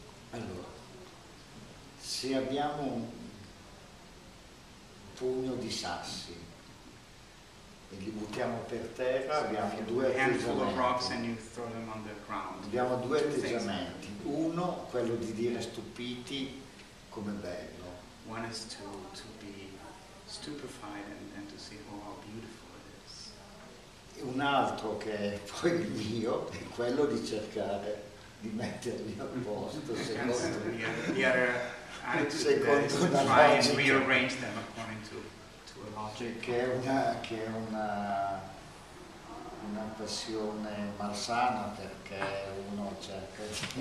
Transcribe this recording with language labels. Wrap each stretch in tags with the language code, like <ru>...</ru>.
<it>Allora, se abbiamo un pugno di sassi e li buttiamo per terra, abbiamo due atteggiamenti. Abbiamo due atteggiamenti. Uno, quello di dire stupiti, come bello.</it> <en>One is to be stupefied and to see how beautiful it is.</en> <it>Un altro che è poi il mio è quello di cercare di mettermi a posto secondo una logica.</it> <en>Try and rearrange them according to a logic.</en> <it>Che è una passione malsana perché uno cerca di...</it>